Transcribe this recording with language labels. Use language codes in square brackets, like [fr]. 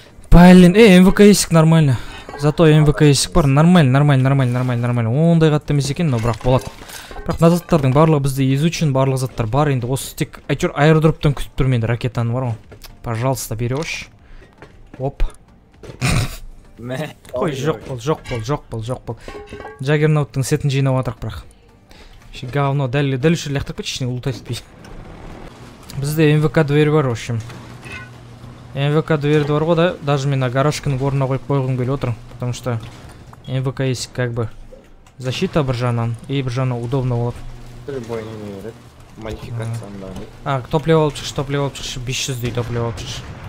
[ru] Блин, МВК [kk] есік [ru] нормально. Зато МВК [kk] есік бар, [ru] нормально, нормально, нормально, нормально, нормально. [kk] Ондай қатты емес екен, [ru] но [kk] бірақ болады. Бірақ заттардың барлығы бізде [ru] изучен, [kk] барлық заттар бар. Енді осы тек әйтеуір аэродроптан күтіп тұр менде ракетаны бар ғой. [ru] Пожалуйста, берешь. Оп. [kk] Мә. Ой, жоқ бол, жоқ бол, жоқ бол, жоқ бол. Джаггернауттың сетін жинап отырық бірақ. Ше [ru] говно, [kk] дәл үшін лақтырып кетші, ішіне ұлтай сетпей. Бізде МВК [ru] дверь [kk] бар, [ru] в общем. [kk] МВК дверь бар ғой, [ru] да, даже [kk] мен гаражкінің орнына қойып қойғым келіп отыр. [ru] Потому что [kk] МВК есік [ru] как бы защита [kk] бір жағынан, [ru] и [kk] бір жағынан [ru] удобно [kk] болады. Бір бойын не береді, модификацияны да. А, топливо алып шықшы, топливо алып шықшы, 500-дей топливо алып шықшы.